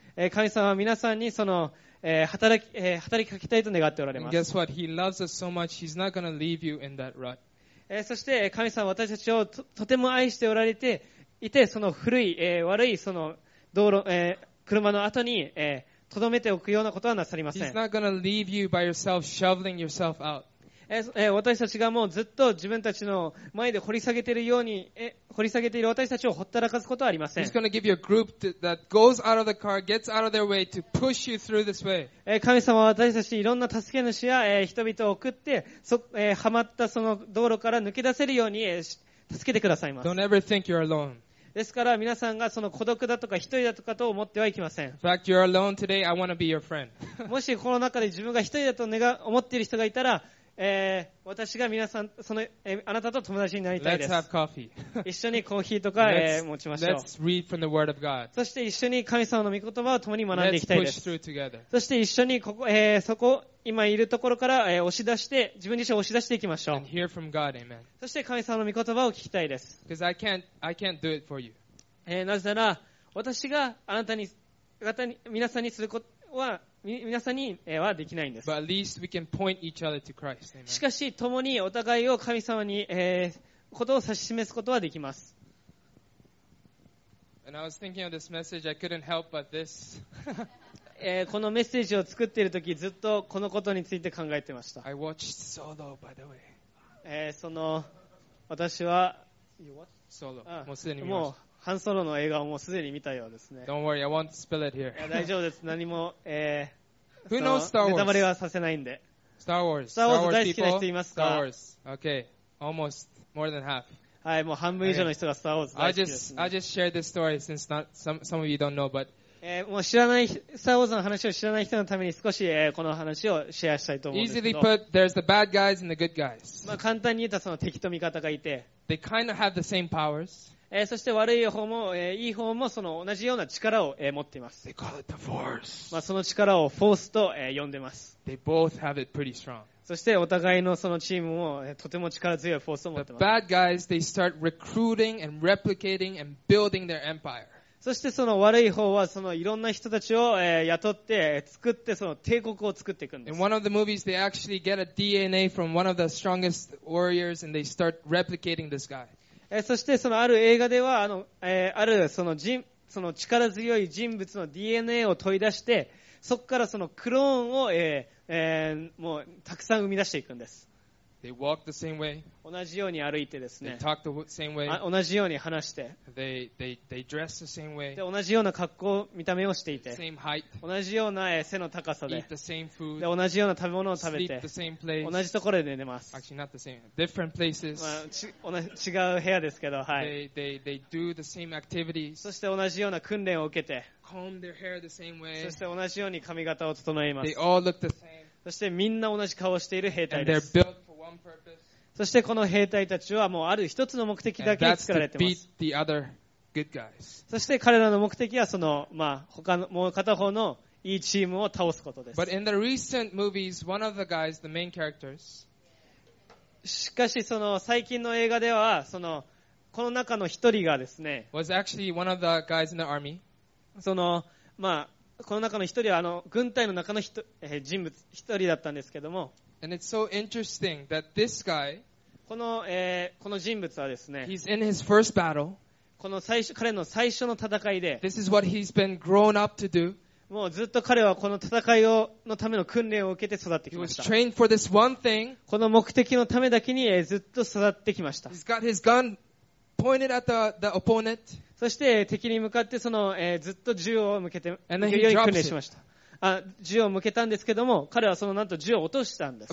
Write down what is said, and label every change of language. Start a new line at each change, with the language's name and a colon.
Japanese: 神様は皆さんにその働きかけたいと願っておられます。
English: Guess what? He loves us so much, he's not going to leave you in that rut.
Japanese: そして神様は私たちを とても愛しておられていて、その古い、悪いその道路、車の後に、とどめておくようなことはなさりません。
English: He's not going to leave you by yourself, shoveling yourself out.
Japanese: 私たちがもうずっと自分たちの前で掘り下げているように、掘り下げている私たちをほったらかすことはありません。
English: He's going to give you a group that goes out of the car, gets out of their way to push you through this way.
Japanese: 神様は私たちにいろんな助け主や人々を送って、はまったその道路から抜け出せるように助けてくださいます。
English: Don't ever think you're alone.
Japanese: ですから皆さんがその孤独だとか一人だとかと思ってはいけません。
English: In fact, you're alone today. I want to be your friend.
Japanese: もしこの中で自分が一人だと思っている人がいたら、私が皆さんその、あなたと友達になりたいです。
English: Let's have coffee.
Japanese: 一緒にコーヒーとか持ちましょう。
English: Let's read from the Word of God.
Japanese: そして一緒に神様の御言葉を共に学んでいきたいです。
English: Let's push through together.
Japanese: そして一緒にここ、そこ今いるところから、押し出して自分自身を押し出していきましょう。
English: And hear from God, amen.
Japanese: そして神様の御言葉を聞きたいです。
English: Because I can't do it for you.
Japanese: なぜなら私があなたに、皆さんにすることは皆さんにはできないんです。
English: But at least we can point each other to Christ. Amen.
Japanese: しかし共にお互いを神様に、ことを指し示すことはできます。
English: And I was thinking of this message, I couldn't help but this.
Japanese: このメッセージを作っているときずっとこのことについて考えていました。
English: I watched Solo, by the way.
Japanese: その私は
English: you watched Solo.
Japanese: もうすでに見ました。ハンソロの映画をもうすでに見たようですね。
English: Don't worry, I won't spill it here.
Japanese: 大丈夫です。何も、
English: Who knows Star Wars?
Japanese: ネタバレはさせないんで。
English: Star Wars.
Japanese: Star Wars 大好きな人いますか？
English: Star Wars. Okay. Almost more than half.
Japanese: はい、もう半分以上の人が Star Wars 大好きです、ね。
English: I just shared this story since not some of you don't know, but
Japanese: もう知らない、Star Wars の話を知らない人のために少し、この話をシェアしたいと思うんですけど。
English: Easily put, there's the bad guys and the good guys.
Japanese: まあ簡単に言うとその敵と味方がいて。
English: They kind of have the same powers.
Japanese: そして悪い方も、いい方もその同じような力を、持っています。
English: They call it the force.
Japanese: まあその力をフォースと、呼んでます。
English: They both have it pretty strong.
Japanese: そしてお互いのそのチームも、とても力強いフォースを持っています。
English: The bad guys, they start recruiting and replicating and building their empire.
Japanese: そしてその悪い方はそのいろんな人たちを、雇って、作ってその帝国を作っていくんです。
English: In one of the movies, they actually get a DNA from one of the strongest warriors and they start replicating this guy.
Japanese: そしてそのある映画では あるその人その力強い人物の DNA を取り出してそこからそのクローンを、もうたくさん生み出していくんです。
English: They walk the same way.
Japanese: 同じように歩いてですね。
English: They talk the same way.
Japanese: 同じように話して
English: they dress the same way.
Japanese: で同じような格好見た目をしていて
English: same height.
Japanese: 同じような背の高さ で,
English: eat the same food.
Japanese: で同じような食べ物を食べて
English: sleep the same place.
Japanese: 同じところで寝ます。
English: Actually, not the same. Different places.
Japanese: まあ、違う部屋ですけど、はい、
English: they do the same activities.
Japanese: そして同じような訓練を受けて
English: comb their hair the same way.
Japanese: そして同じように髪型を整えます。
English: they all look the same.
Japanese: そしてみんな同じ顔をしている兵隊です。
English: And they're built for one purpose.
Japanese: そしてこの兵隊たちはもうある一つの目的だけ作られています
English: 。 And that's to beat the other good guys.
Japanese: そして彼らの目的はその、まあ、他のもう片方のいいチームを倒すことです。
English: But in the recent movies, one of the guys, the main characters...
Japanese: しかしその最近の映画ではそのこの中の一人がですね
English: was actually one of the guys in the army.
Japanese: そのまあこの中の一人はあの軍隊の中の人物一人だったんですけども、
English: And it's so interesting that this guy,
Japanese: この人物はですね、
English: he's in his first battle.
Japanese: この最初彼の最初の戦いで、
English: this is what he's been grown up to do.
Japanese: もうずっと彼はこの戦いをのための訓練を受けて育ってきました。
English: He was trained for this one thing.
Japanese: この目的のためだけに、ずっと育ってきました。
English: He's got his gun pointed at the opponent.
Japanese: そして敵に向かってその、ずっと銃を向けて良い訓練しました。あ、銃を向けたんですけども彼はそのなんと銃を落としたんです。